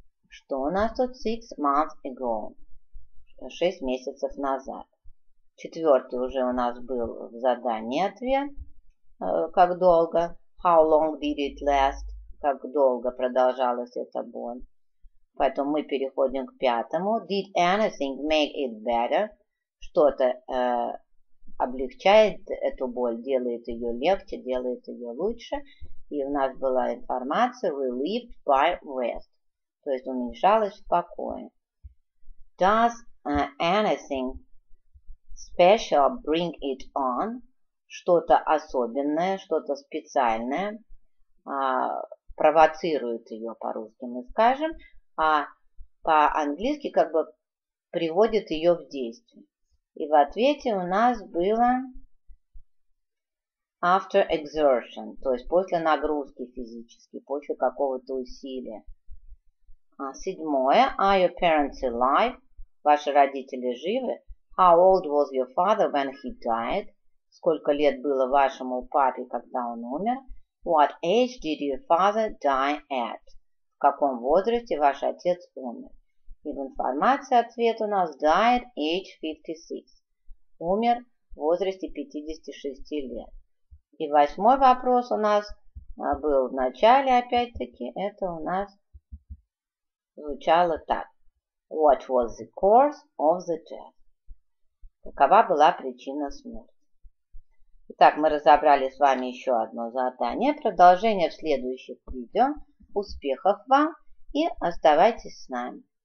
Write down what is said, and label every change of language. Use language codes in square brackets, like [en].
[ru] Что у нас тут? [en] 6 months ago. [ru] 6 месяцев назад. Четвертый уже у нас был в задании ответ. Как долго? [en] How long did it last? [ru] Как долго продолжалась эта боль? Поэтому мы переходим к пятому. [en] Did anything make it better? [ru] Что-то облегчает эту боль, делает ее легче, делает ее лучше. И у нас была информация [en] relieved by rest. [ru] То есть уменьшалось в покое. [en] Does anything special bring it on? [ru] Что-то особенное, что-то специальное. провоцирует ее, по-русски мы скажем, а по-английски как бы приводит ее в действие. И в ответе у нас было [en] after exertion, [ru] то есть после нагрузки физической, после какого-то усилия. А седьмое, [en] are your parents alive? [ru] Ваши родители живы? [en] How old was your father when he died? [ru] Сколько лет было вашему папе, когда он умер? [en] What age did your father die at? [ru] В каком возрасте ваш отец умер? И в информации ответ у нас [en] died age 56. [ru] Умер в возрасте 56 лет. И восьмой вопрос у нас был в начале, опять-таки, это у нас звучало так. [en] What was the cause of the death? [ru] Какова была причина смерти? Итак, мы разобрали с вами еще одно задание. Продолжение в следующих видео. Успехов вам и оставайтесь с нами.